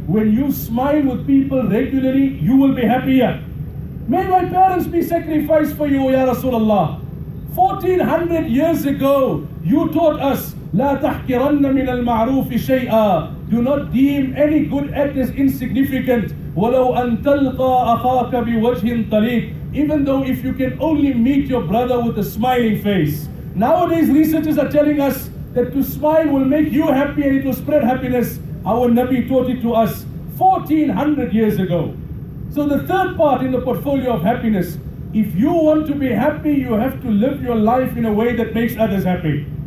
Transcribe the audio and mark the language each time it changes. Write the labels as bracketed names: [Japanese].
[English] When you smile with people regularly, you will be happier. May my parents be sacrificed for you, Ya Rasulallah. 1400 years ago, you taught us, [Arabic] لا تحقرن من المعروف شيئا. [English] Do not deem any good act as insignificant. [Arabic] ولو أن تلقى أخاك بوجه طليق. [English] Even though if you can only meet your brother with a smiling face. Nowadays, researchers are telling us that to smile will make you happy and it will spread happiness. Our Nabi taught it to us 1400 years ago. So the third part in the portfolio of happiness, if you want to be happy, you have to live your life in a way that makes others happy.